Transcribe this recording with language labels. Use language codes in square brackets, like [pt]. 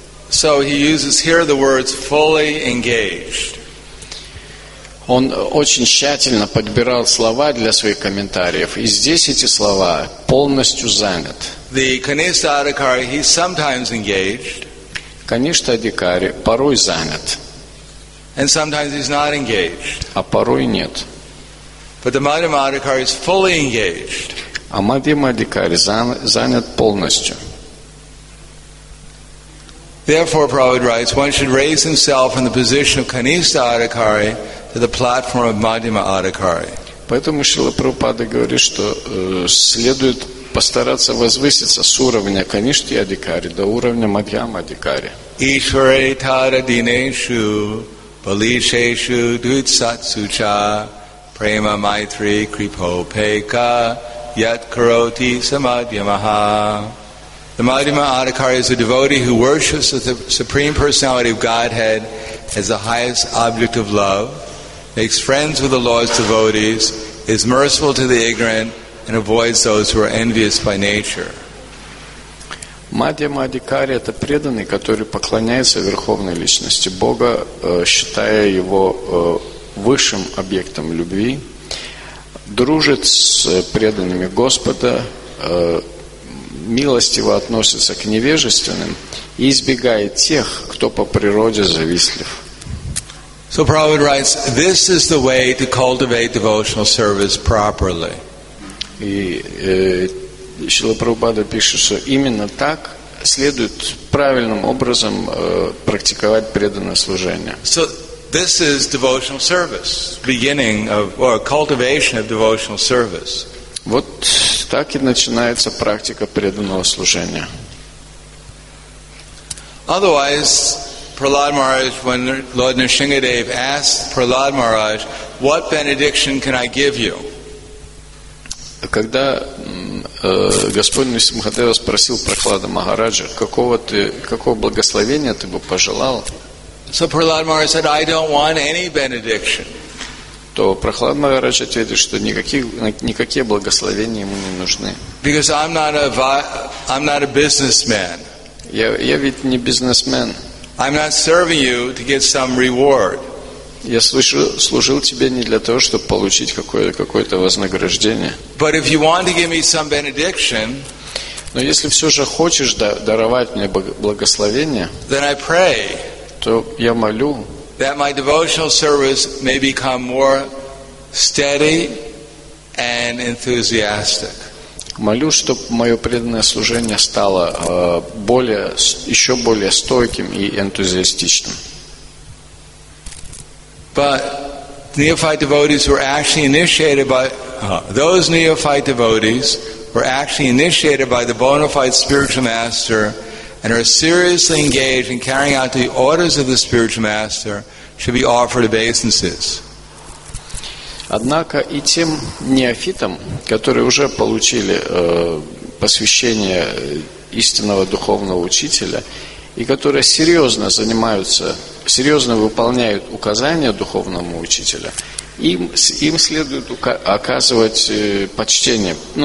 [en] So he uses here the words fully engaged. [ru] Он очень тщательно подбирал слова для своих комментариев, и здесь эти слова полностью занят. [en] The Kanishtha Adhikari, he's sometimes engaged. [ru] Kanishtha Adhikari порой занят. [en] And sometimes he's not engaged. [ru] А порой нет. [en] But the Madhyama Adhikari is fully engaged. [ru] А Мадхьяма Адхикари занят полностью. [en] Therefore, Prabhupada writes, one should raise himself from the position of Kanishtha Adhikari to the platform of Madhyama Adhikari. [ru] Поэтому Шрила Прабхупада говорит, что следует постараться возвыситься с уровня Kanishtha Adhikari до уровня Madhyama Adhikari. [sa] Ishvare tara dineshu balisheshu dvitsatsucha prema maitri kripo peka yat karoti samadhyamaha. [en] The Madhyama Adhikari is a devotee who worships the Supreme Personality of Godhead as the highest object of love, makes friends with the Lord's devotees, is merciful to the ignorant and avoids those who are envious by nature. [ru] Мадхья Мадхикари – это преданный, который поклоняется Верховной Личности Бога, считая его высшим объектом любви, дружит с преданными Господа, милостиво относится к невежественным и избегает тех, кто по природе завистлив. [en] So Prabhupada writes, this is the way to cultivate devotional service properly. [ru] И Шрила Прабхупада пишет, что именно так следует правильным образом практиковать преданное служение. [en] So this is devotional service, beginning of or cultivation of devotional service. [ru] Вот так и начинается практика преданного служения. [en] Otherwise, Prahlad Maharaj, when Lord Nrisimhadev asked Prahlad Maharaj, "What benediction can I give you?" [ru] Когда Господь Нрисимхадева спросил Прахлада Махараджа, какого благословения ты бы пожелал? [en] So Prahlad Maharaj said, "I don't want any benediction." [ru] То Прахлад Махарадж ответил, что никакие благословения ему не нужны. [en] Because I'm not a businessman. [ru] Я ведь не бизнесмен. [en] I'm not serving you to get some reward. [ru] Я служил тебе не для того, чтобы получить какое-то вознаграждение. [en] But if you want to give me some benediction, [ru] но если все же хочешь даровать мне благословение, [en] then I pray, [ru] то я молю, [en] that my devotional service may become more steady and enthusiastic. [ru] Молю, чтобы мое преданное служение стало еще более стойким и энтузиастичным. [en] But neophyte devotees were actually initiated by those neophyte devotees were actually initiated by the bona fide spiritual master and are seriously engaged in carrying out the orders of the spiritual master should be offered obeisances. [ru] Однако и тем неофитам, которые уже получили посвящение истинного духовного учителя и которые серьезно выполняют указания духовному учителю, им следует оказывать почтение.